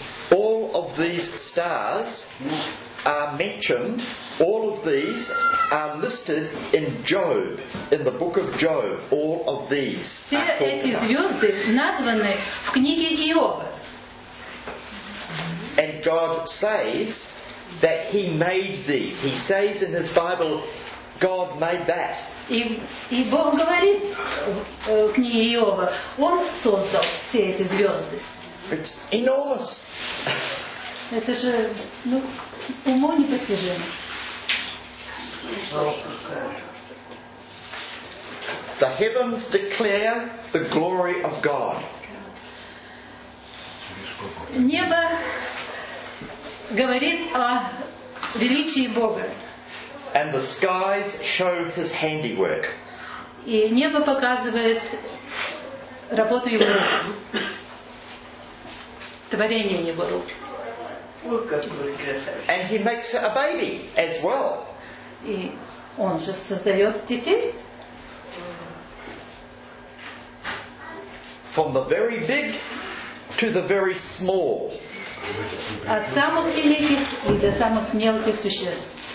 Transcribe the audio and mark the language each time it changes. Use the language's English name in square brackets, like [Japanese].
[English] All of these stars are mentioned, all of these are listed in Job, in the book of Job, all of these. [Russian] Все эти звезды названы в книге Иова. [English] And God says that he made these. He says in his Bible, God made that. [Russian] И Бог говорит в книге Иова, он создал все эти звезды. [English] It's enormous. [Russian] Это же, ну, уму непостижимо. [English] The heavens declare the glory of God. [Russian] Небо говорит о величии Бога. [English] And the skies show his handiwork. [Russian] И небо показывает работу его рук. Творение его рук. [English] And he makes a baby as well. [Russian] И он же создает детей. [English] From the very big to the very small. [Russian] От самых великих и до самых мелких существ.